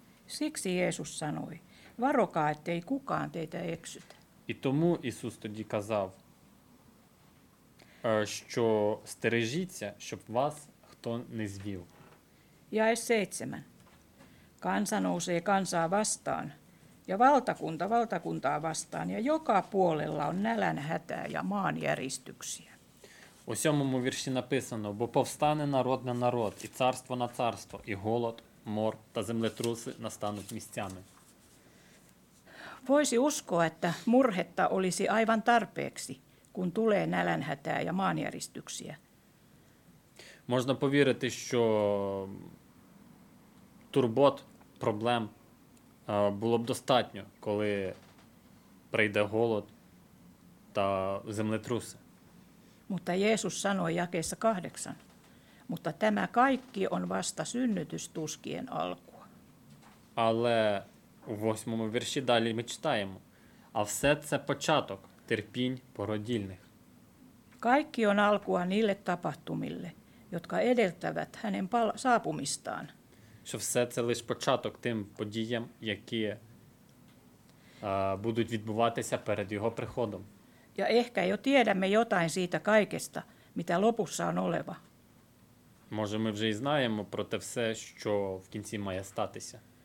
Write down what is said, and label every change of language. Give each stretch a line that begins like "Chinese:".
Finnish: Siksi Jeesus sanoi, varokaa, ettei kukaan teitä eksytä.
Ukrainian: І тому Ісус тоді казав, що стережіться, щоб вас хто не звів.
Finnish: Jae 7. Kansa nousee kansaa vastaan, ja valtakunta valtakuntaa vastaan, ja joka puolella on nälän hätää ja maanjäristyksiä.
Ukrainian: У 7-му вірші написано, бо повстане народ на народ, і царство на царство, і голод, мор та землетруси настануть місцями.
Finnish: Voisi uskoa, että murhetta olisi aivan tarpeeksi, kun tulee nälänhätää ja maanjäristyksiä.
Ukrainian: Можна повірити, що турбот, проблем було б достатньо, коли прийде голод та землетруси.
Finnish: Mutta Jeesus sanoi jakeessa 8. Mutta tämä kaikki on vasta synnytystuskien alkua.
Ukrainian: Але у 8-му вірші далі ми читаємо. А все це початок терпінь породільних.
Finnish: Kaikki on alkua niille tapahtumille, jotka edeltävät hänen saapumistaan.
Ukrainian: Що все це лише початок тим подіям, які будуть відбуватися перед його приходом.
Finnish: Ja ehkä jo tiedämme jotain siitä kaikesta, mitä lopussa on oleva. Може, ми вже й знаємо про те все, що в кінці має статися.